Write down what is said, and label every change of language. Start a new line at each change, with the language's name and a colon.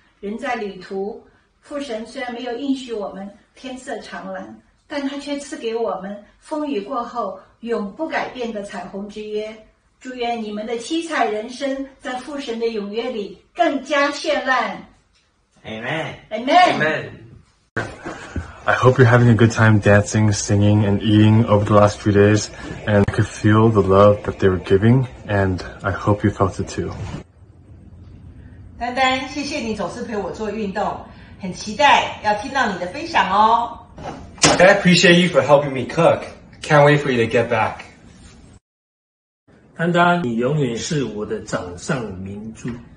Chinese: 人在旅途，父神虽然没有应许我们天色长蓝，但他却赐给我们风雨过后永不改变的彩虹之约，祝愿你们的七彩人生在父神的永约里更加绚烂。
English: Amen. I hope you're having a good time dancing, singing, and eating over the last few days, and I could feel the love that they were giving, and I hope you felt it too.
Chinese: 丹丹，谢谢你总是陪我做运动，很期待要听到你的分享哦。
English: I appreciate you for helping me cook. Can't wait for you to get back.
Chinese: 丹丹，你永远是我的掌上明珠。